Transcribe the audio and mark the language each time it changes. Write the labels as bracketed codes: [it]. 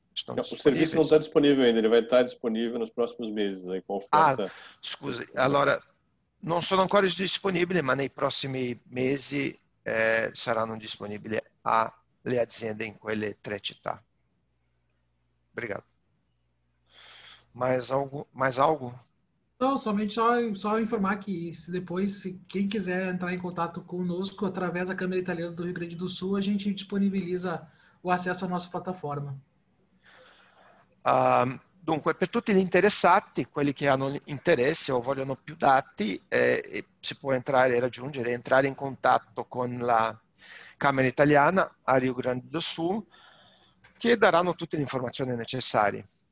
[it] Il servizio non è disponibile [pt] ainda, ele vai estar disponibile nos próximos meses. [it] Scusi, allora, non sono ancora disponibili, ma nei prossimi mesi saranno disponibili alle aziende in quelle tre città. [pt] Obrigado. Mais algo? Não, somente só informar que se depois, se quem quiser entrar em contato conosco através da Câmara Italiana do Rio Grande do Sul, a gente disponibiliza o acesso à nossa plataforma. [it] Dunque, per tutti gli interessati, quelli che hanno interesse o vogliono più dati, si può entrare e raggiungere, entrare in contatto con la Camera Italiana a Rio Grande do Sul, che daranno tutte le informazioni necessarie.